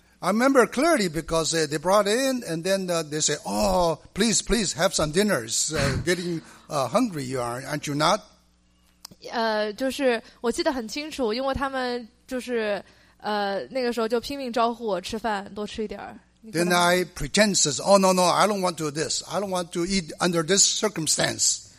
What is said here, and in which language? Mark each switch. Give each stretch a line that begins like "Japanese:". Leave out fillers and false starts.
English: I remember clearly because they brought it in, and then they say, "Oh, please, please have some dinner. It's getting hungry. You are, aren't you not?"
Chinese: 就是我记得很清楚，因为他们就是那个时候就拼命招呼我吃饭，多吃一点儿。
English: Then I pretend says, "Oh no, no, I don't want to do this. I don't want to eat under this circumstance."